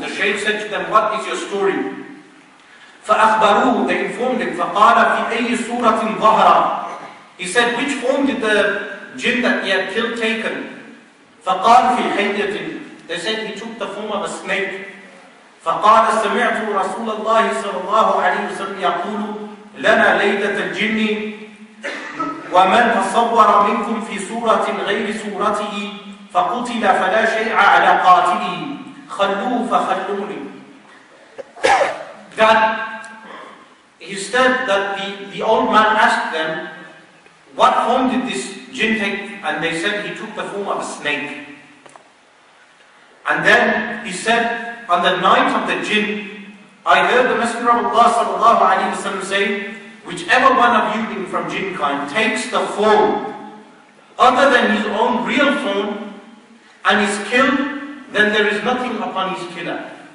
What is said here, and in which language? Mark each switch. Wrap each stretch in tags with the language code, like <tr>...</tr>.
<en>The shaykh said to them, what is your story?</en> <ar>فَأَخْبَرُوهُ.</ar> <en>They informed him.</en> <ar>فَقَالَ فِي أَيِّ سُورَةٍ ظَهَرَ.</ar> <en>He said, which form did the jinn that he had killed taken?</en> <ar>فَقَالَ فِي حَيَّةٍ.</ar> <en>They said he took the form of a snake.</en> <ar>فقال سمعت رسول الله صلى الله عليه وسلم يقول لنا ليلة الجن ومن تصور منكم في سورة غير سورته فقتل فلا شيء على قاتله خلوه فخلوني.</ar> <en>That he said that the old man asked them, what form did this jinn take? And they said he took the form of a snake. And then he said, on the night of the jinn, I heard the Messenger of Allah sallallahu alayhi wa sallam say, whichever one of you being from jinn kind takes the form other than his own real form and is killed, then there is nothing upon his killer.</en>